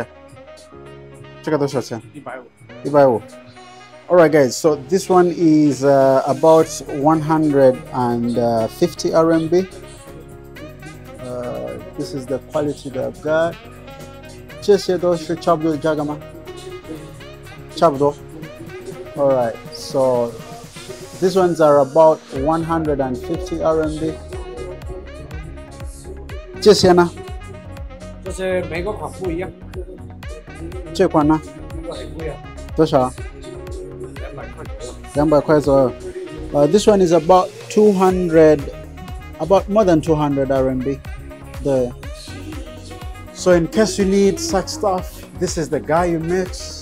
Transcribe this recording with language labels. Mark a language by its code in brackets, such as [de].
[zh] 所以我想让他们看有什么货是多少钱啊，在哪里可以买啊，然后放里面店进去啊，这些，明白吗？老板，你不知道吗？你不知道，现在外国人派来中国，所以要看有什么东西啊。这些货多少钱？这个多少钱？ 150。 [en] All right, guys, so this one is about 150 RMB. This is the quality that I've got. [zh] 这些都是差不多的价格吗? 差不多. [en] All right, so these ones are about 150 RMB. [zh] 这些呢? 这些每个款不一样。这款呢? 这个很贵啊。多少? 200块左右. [en] This one is about 200, about more than 200 RMB. So in case you need such stuff, this is the guy you met.